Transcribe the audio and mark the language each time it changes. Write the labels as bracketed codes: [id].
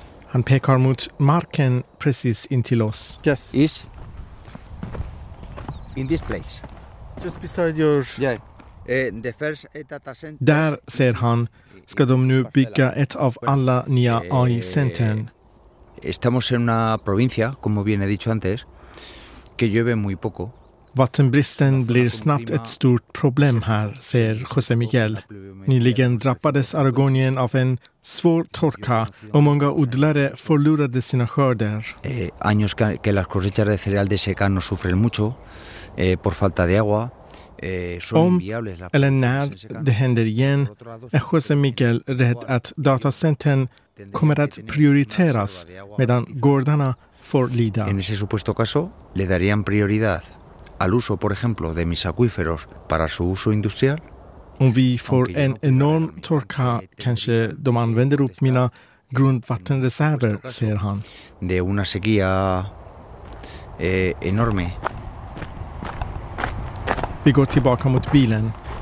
[sv] Han pekar mot marken precis intill oss. [en] Yes. Is in this place. Just beside your... Yeah. The first data center. [sv] Där, säger han, ska de nu bygga ett av alla nya AI-centern. [es] Estamos en una provincia, como bien he dicho antes, que llueve muy poco. [sv] Vattenbristen blir snabbt ett stort problem här, säger José Miguel. Nyligen drabbades Aragonien av en svår torka och många odlare förlorade sina skörder. [es] Años que las cosechas de cereal de secano sufren mucho por falta de agua. [sv] Om eller när det händer igen är José Miguel rädd att datacentern kommer att prioriteras medan gårdarna får lida. [es] En ese supuesto caso le darían prioridad al uso, por ejemplo, de mis acuíferos para su uso industrial. [sv] Om vi får en enorm torka kanske de använder upp mina grundvattenreserver, säger han. [es] De una sequía enorme. [sv] Vi går tillbaka mot bilen.